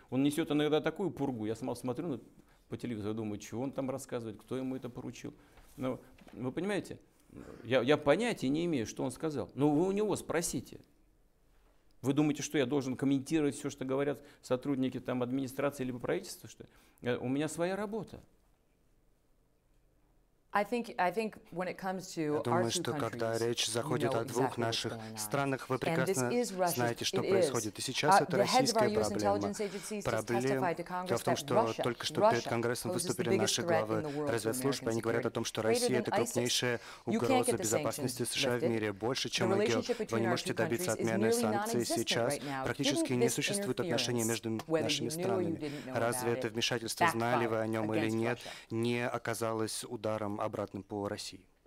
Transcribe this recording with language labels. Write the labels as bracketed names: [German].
[Russian] Он несет иногда такую пургу. Я сам смотрю по телевизору, думаю, чего он там рассказывает, кто ему это поручил. Но вы понимаете? Я понятия не имею, что он сказал. Но вы у него спросите. Вы думаете, что я должен комментировать все, что говорят сотрудники там администрации или правительства? Что у меня своя работа. [English] I think when it comes to our two countries, you know exactly what's going on. And this is Russia. It is. The heads of our U.S. intelligence agencies testified to Congress that Russia poses the biggest threat in the world to American security. [Russian] Они говорят о том, что Россия это крупнейшая угроза безопасности США в мире, больше, чем Геор. Вы не можете добиться отмены санкций сейчас. Практически не существует отношений между нашими странами. Разве это вмешательство, знали вы о нем или нет, не оказалось ударом обратным по России?